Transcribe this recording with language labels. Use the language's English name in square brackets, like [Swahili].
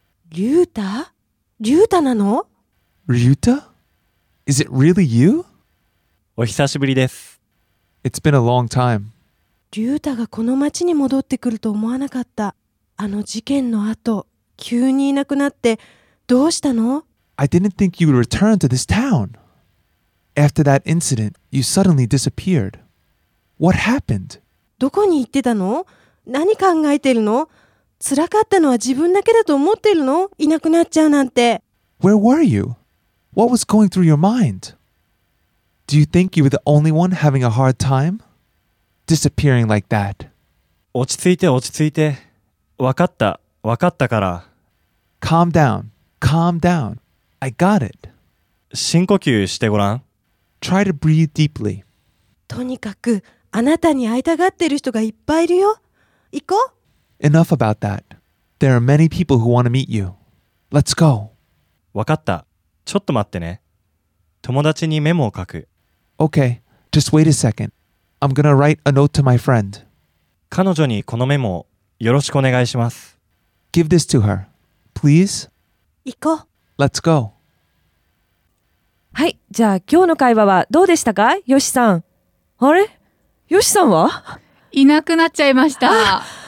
[Japanese] Ryuta? Ryuta なの? [English] Ryuta? Is it really you? [Japanese] お久しぶりです。 [English] It's been a long time. [Japanese] リュータがこの町に戻ってくると思わなかった。あの事件の後、急にいなくなって、どうしたの? [English] I didn't think you would return to this town. After that incident, you suddenly disappeared. What happened? [Japanese] どこに行ってたの?何考えてるの? 辛かったのは自分だけだと思ってるの?いなくなっちゃうなんて。 [English] Where were you? What was going through your mind? Do you think you were the only one having a hard time? Disappearing like that. [Japanese] 落ち着いて落ち着いて。わかった、わかったから。 [English] Calm down, calm down. I got it. [Japanese] 深呼吸してごらん。 [English] Try to breathe deeply. [Japanese] とにかく、あなたに会いたがってる人がいっぱいいるよ。行こう。 [English] Enough about that. There are many people who want to meet you. Let's go. [Japanese] わかった。ちょっと待ってね。友達にメモを書く。 [English] Okay, just wait a second. I'm gonna write a note to my friend. [Japanese] 彼女にこのメモをよろしくお願いします。 [English] Give this to her, please. [Japanese] 行こう。 [English] Let's go. [Japanese] はい、じゃあ今日の会話はどうでしたか、ヨシさん。あれ、ヨシさんは？いなくなっちゃいました。